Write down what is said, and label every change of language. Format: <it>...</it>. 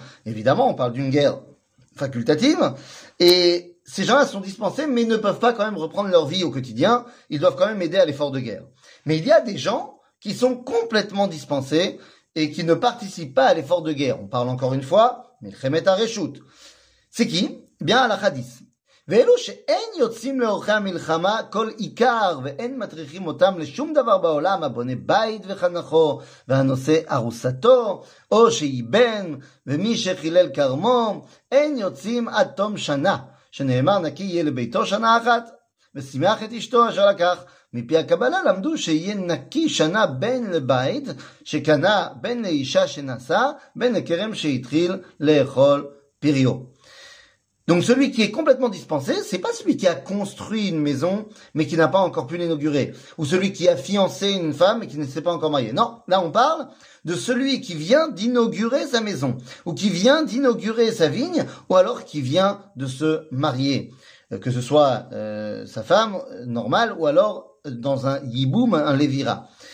<fr>Évidemment, on parle d'une guerre facultative. Et ces gens-là sont dispensés, mais ne peuvent pas quand même reprendre leur vie au quotidien. Ils doivent quand même aider à l'effort de guerre. Mais il y a des gens qui sont complètement dispensés et qui ne participent pas à l'effort de guerre. On parle encore une fois, mais Melchemet Rechout. C'est qui? Eh bien, Halakha 10.</fr> <he>ואלו שאין יוצאים לאורחי המלחמה כל עיקר ואין מטריחים אותם לשום דבר בעולם הבונה בית וחנכו והנושא ארוסתו או שאיבן ומי שחילל כרמו אין יוצאים עד תום שנה שנאמר נקי יהיה לביתו שנה אחת ושימח את אשתו אשר לקח מפי הקבלה למדו שיהיה נקי שנה בין לבית שקנה בין לאישה שנשא בין לכרם שהתחיל לאכול פריו.</he> <fr>Donc celui qui est complètement dispensé, c'est pas celui qui a construit une maison mais qui n'a pas encore pu l'inaugurer, ou celui qui a fiancé une femme et qui ne s'est pas encore marié. Non, là on parle de celui qui vient d'inaugurer sa maison, ou qui vient d'inaugurer sa vigne, ou alors qui vient de se marier, que ce soit sa femme normale ou alors dans un yiboum, un levira.</fr>